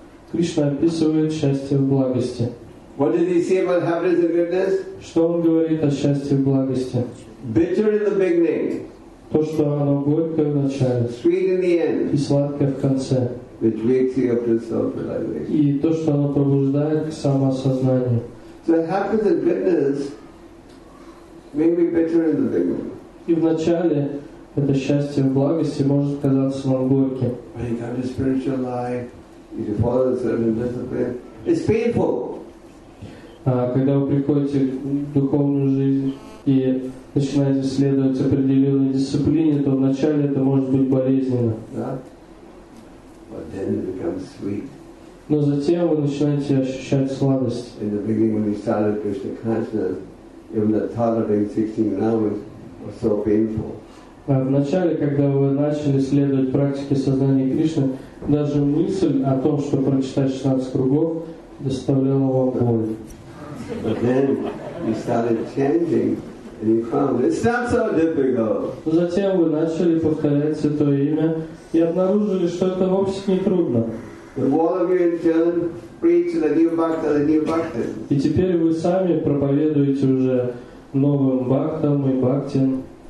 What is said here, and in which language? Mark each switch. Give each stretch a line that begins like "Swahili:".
Russian: Кришна описывает счастье в благости.
English: What did he say about happiness and goodness?
Russian: Что он говорит о счастье в благости?
English: Bitter in the beginning.
Russian: То, что оно горькое в начале.
English: Sweet in the end.
Russian: И сладкое в конце.
English: Which wakes you up to self-realization.
Russian: И то, что оно пробуждает к самосознанию.
English: So happiness and goodness may be bitter in the beginning.
Russian: И вначале это счастье в благости может казаться вам горьким.
English: When you come to spiritual life, you follow a certain discipline, it's painful.
Russian: Когда вы приходите в духовную жизнь и начинаете следовать определенной дисциплине, то вначале это может быть болезненно.
English: But then it becomes sweet.
Russian: Но затем вы начинаете ощущать сладость.
English: In the beginning, when we started Krishna consciousness, even the thought of 16 grams was so painful.
Russian: В начале, когда вы начали следовать практике сознания Кришны, даже мысль о том, что прочитать 16 кругов, доставляла вам боль.
English: But then you started chanting, and you found it's not so difficult.
Russian: Затем вы начали повторять Святое Имя. И обнаружили, что это вовсе не трудно. И теперь вы сами проповедуете уже новым бхактам и бхактин.